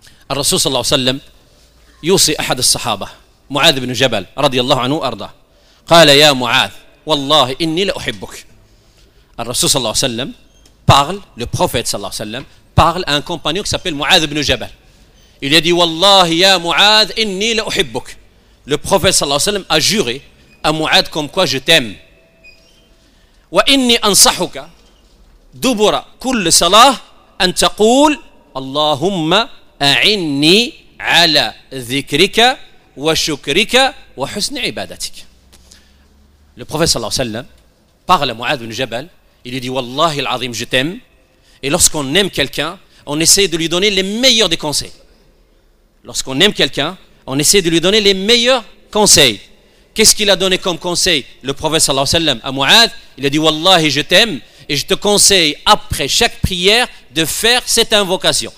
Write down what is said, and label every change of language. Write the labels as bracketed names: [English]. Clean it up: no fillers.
[Arabic] الرسول صلى الله عليه وسلم يوصي أحد الصحابة معاذ بن جبل رضي الله عنه وأرضاه قال يا معاذ والله إني لأحبك. الرسول صلى الله عليه وسلم [French] parle, le prophète صلى الله عليه وسلم parle à un compagnon qui s'appelle معاذ بن جبل. Il a dit [Arabic] والله يا معاذ إني لأحبك. [French] Le prophète صلى الله عليه وسلم a juré à معاذ comme quoi je t'aime. [Arabic] وإني أنصحك دبر كل صلاة أن تقول اللهم أعني على ذكرك وشكرك وحسن عبادتك. [French] Le prophète صلى الله عليه وسلم parle à معاذ بن جبل. Il lui dit « Wallahi al-Azim, je t'aime. » Et lorsqu'on aime quelqu'un, on essaie de lui donner les meilleurs des conseils. Lorsqu'on aime quelqu'un, on essaie de lui donner les meilleurs conseils. Qu'est-ce qu'il a donné comme conseil? Le prophète sallallahu alayhi wa sallam à Mu'adh, il a dit « Wallahi, je t'aime. » Et je te conseille après chaque prière de faire cette invocation.